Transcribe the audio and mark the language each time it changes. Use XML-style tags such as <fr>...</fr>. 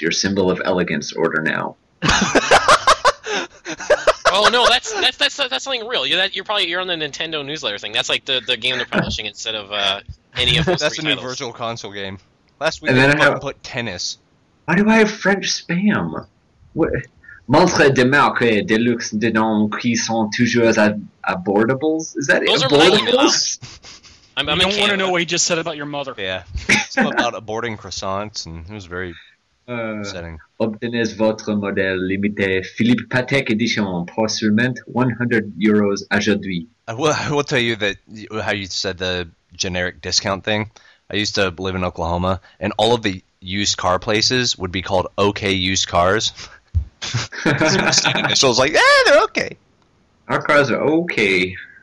<en>Your symbol of elegance. Order now. Oh no, that's something real. You're probably on the Nintendo newsletter thing. That's like the game they're publishing instead of any of those. That's three a new titles. Virtual console game. Last week, and then I put tennis. Why do I have French spam? What?</en> <fr>Montre de marque de luxe de nom qui sont toujours abordables.</fr> <en>Is that those</en> <fr>abordables?</fr> <en>I don't want to know what he just said about your mother. Yeah. Something about aborting croissants, and it was very upsetting.</en> <fr>Obtenez votre modèle limité Philippe Patek Edition pour seulement 100 euros aujourd'hui.</fr> <en>I will tell you that how you said the generic discount thing. I used to live in Oklahoma, and all of the used car places would be called OK Used Cars. So I was like, yeah, they're OK. Our cars are OK.</en>